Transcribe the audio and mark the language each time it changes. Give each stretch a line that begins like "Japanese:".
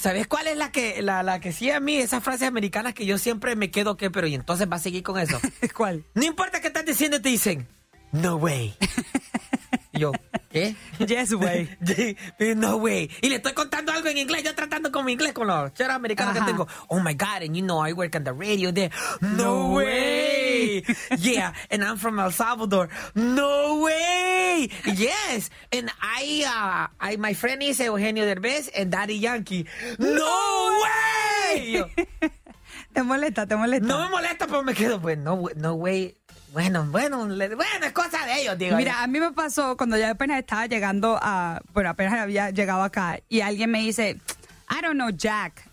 Spanish: ¿Sabes cuál es la que sí a mí? Esas frases americanas que yo siempre me quedo, ¿qué? Pero y entonces va a seguir con eso. ¿Cuál? No importa qué estás diciendo, te dicen,
English: no way.
Spanish: Yo, ¿qué?
English: Yes way. No way.
Spanish: Y le estoy contando algo en inglés, yo tratando con mi inglés, con los cheros americanos que tengo.
English: Oh my God, and you know I work on the radio there. No way. Yeah, and I'm from El Salvador. No way. Yes, and I my friend is Eugenio Derbez and Daddy Yankee. No way.
Spanish: ¿Te molesta? No me molesta, pero me quedo, pues,
English: no way.
Spanish: Bueno, es cosa de ellos, digo. Mira, a mí me pasó cuando ya apenas estaba llegando a... Bueno, apenas había llegado acá y alguien me dice,
English: I don't know Jack.